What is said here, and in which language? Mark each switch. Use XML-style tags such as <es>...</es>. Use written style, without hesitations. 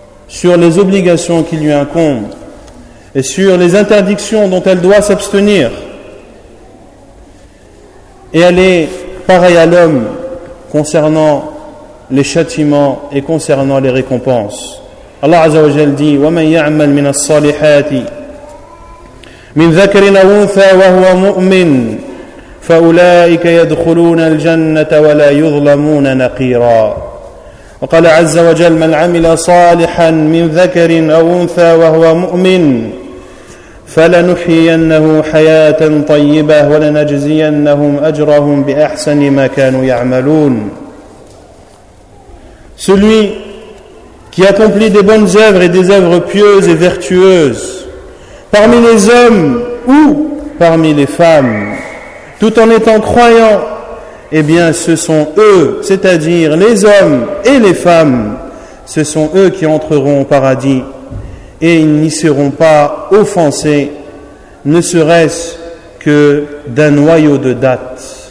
<fr>sur les obligations qui lui incombent et sur les interdictions dont elle doit s'abstenir. Et elle est pareille à l'homme concernant les châtiments et concernant les récompenses.</fr> <ar>Allah Azza wa Jal dit: « وَمَنْ يَعْمَلْ مِنَ الصَّالِحَاتِ مِنْ ذَكَرِنَ وُنْثَى وَهُوَ مُؤْمِنْ فَأُولَٰئِكَ يَدْخُلُونَ الْجَنَّةَ وَلَا يُظْلَمُونَ نَقِيرًا » وقال عز وجل: من عمل صالحا من ذكر أو أنثى وهو مؤمن فلنحيينه حياة طيبة ولنجزينهم أجرهم بأحسن ما كانوا يعملون.</ar> <fr>Celui qui accomplit des bonnes œuvres et des œuvres pieuses et vertueuses parmi les hommes ou parmi les femmes, tout en étant croyant, eh bien ce sont eux, c'est-à-dire les hommes et les femmes, ce sont eux qui entreront au paradis et ils n'y seront pas offensés, ne serait-ce que d'un noyau de date.</fr>